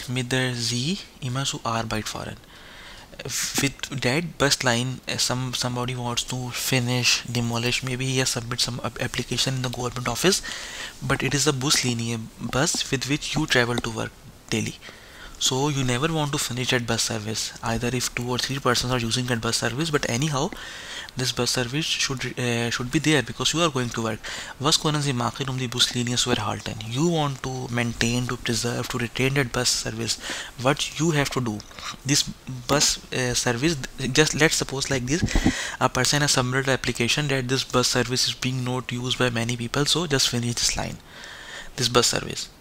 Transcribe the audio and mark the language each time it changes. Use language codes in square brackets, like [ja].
[de] Mit der Sie immer zu Arbeit fahren. [en] With that bus line, somebody wants to finish, demolish, maybe he has submitted some application in the government office, but it is a bus line, bus with which you travel to work daily. So you never want to finish that bus service, either if two or three persons are using that bus service, but anyhow, this bus service should be there because you are going to work. [de] Was können Sie machen, um die Buslinie zu erhalten? [en] You want to maintain, to preserve, to retain that bus service. What you have to do? This bus service, just let's suppose like this, a person has submitted an application that this bus service is being not used by many people, so just finish this line, this bus service.